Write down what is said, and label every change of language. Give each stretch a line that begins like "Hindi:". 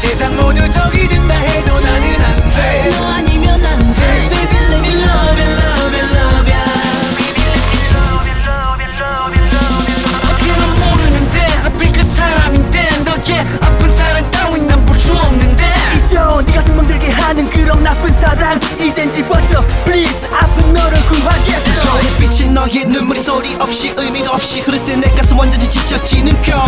Korean: 세상 모두 적이 된다 해도 나는 안 돼. 너 아니면 안 돼.
English: Baby let me love you, love you, love you. Baby let me love you, love you, love you.
Korean: 어떻게 넌 모르는데. 아픈 그 사람인데. 너게 아픈 사람 따윈 난 볼 수 없는데. 잊어 네 가슴 멍들게 하는 그런 나쁜 사랑. 이젠 지워줘 please. 아픈 너를 구하겠어. 저의 빛이 너의 눈물이 소리 없이 의미도 없이 흐를 때 내 가슴 완전히 지쳐지는 걸.